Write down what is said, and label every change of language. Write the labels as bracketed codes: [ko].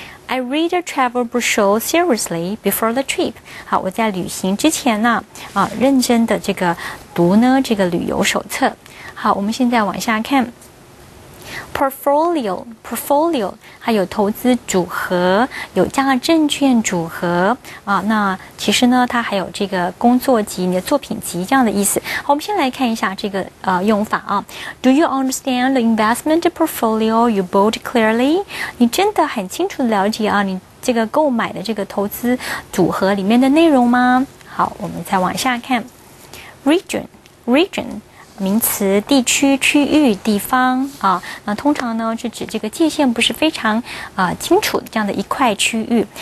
[en] I read a travel brochure seriously before the trip. [zh] 好，我在旅行之前呢，啊，认真的这个读呢这个旅游手册。好，我们现在往下看。Portfolio 还有投资组合，有价证券组合啊。那其实呢，它还有这个工作集，你的作品集这样的意思。好，我们先来看一下这个用法啊。 [en] Do you understand the investment portfolio you bought clearly? [zh] 你真的很清楚了解啊，你这个购买的这个投资组合里面的内容吗？好，我们再往下看。Region. 名词，地区、区域、地方啊，那通常呢是指这个界限不是非常清楚这样的一块区域。